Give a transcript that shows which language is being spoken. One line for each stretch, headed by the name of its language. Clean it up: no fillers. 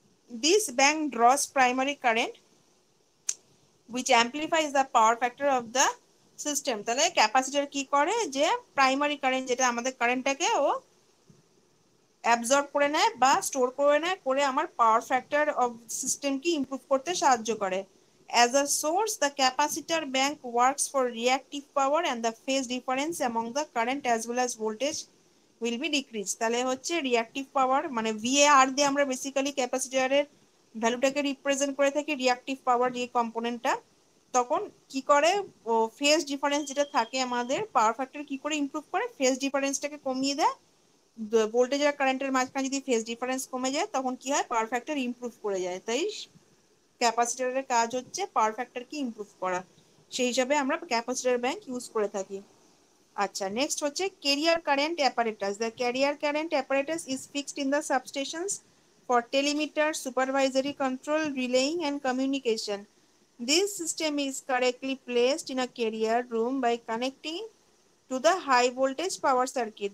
English: This bank draws primary current which amplifies the power factor of the system.
Bangla: তাহলে capacitor কি করে যে primary current যেটা আমাদের কারেন্টটাকে ও অ্যাবজর্ব করে নেয় বা স্টোর করে নেয়, করে আমার পাওয়ার ফ্যাক্টর অফ সিস্টেমকে ইম্প্রুভ করতে সাহায্য করে।
English: As a source, the capacitor bank works for reactive power and the phase difference among the current as well as voltage will be decreased.
Bangla: তাহলে হচ্ছে reactive power মানে VAR দিয়ে আমরা basically capacitor এর value টাকে represent করে থাকি reactive power যে component টা। তখন কি করে ও phase difference যেটা থাকে আমাদের power factor কি করে improve করে? Phase difference টাকে কমিয়ে দেয়। ভোল্টেজ আর কারেন্টের মাঝখানে যদি ফেজ ডিফারেন্স কমে যায় তখন কি হয়? পাওয়ার ফ্যাক্টর ইম্প্রুভ করে যায়। তাই ক্যাপাসিটারের কাজ হচ্ছে পাওয়ার ফ্যাক্টর কি ইম্প্রুভ করা, সেই হিসাবে আমরা ক্যাপাসিটার ব্যাংক ইউজ করে থাকি। আচ্ছা, নেক্সট হচ্ছে
English: Carrier current apparatus. The carrier current apparatus is fixed in the substations for telemeter supervisory control relaying and communication. This system is correctly placed in a carrier room by connecting to the high voltage power circuit.